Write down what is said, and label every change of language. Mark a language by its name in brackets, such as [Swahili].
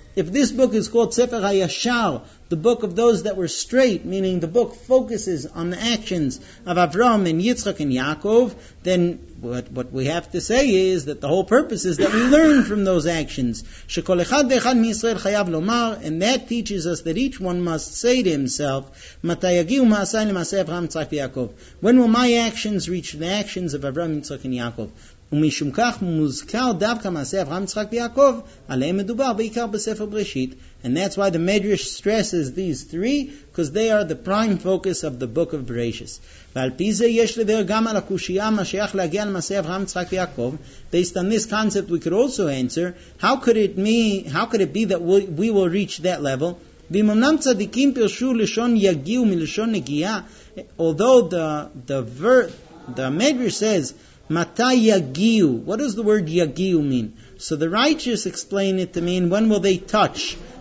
[English] If this book is called Sefer HaYashar, the book of those that were straight, meaning the book focuses on the actions of Avram and Yitzchak and Yaakov, then what we have to say is that the whole purpose is that we learn from those actions. [Hebrew] Shekol echad v'echad miYisrael chayav lomar, [English] and that teaches us that each one must say to himself, [Hebrew] Matay yagiu ma'asai l'maasai Avram Yitzchak v'Yaakov. [English] When will my actions reach the actions of Avram, Yitzchak, and Yaakov? [Hebrew] ומשום כך מוזכר דווקא מעשה אברהם יצחק ויעקב, עליהם מדובר בעיקר בספר בראשית. [English] And that's why the Medrash stresses these three, because they are the prime focus of the book of Bereshit. [Hebrew] ועל פי זה יש לדבר גם על הקושייה מה שייך להגיע למעשה אברהם יצחק ויעקב. [English] Based on this concept, we could also answer, how could it be that we will reach that level? [Hebrew] ואם אמנם צדיקים פרשו לשון יגיעו מלשון נגיעה, [English] although the Medrash says, [Hebrew] Matai yagiu. [English] What does the word yagiu mean? So the righteous explain it to mean, when will they touch?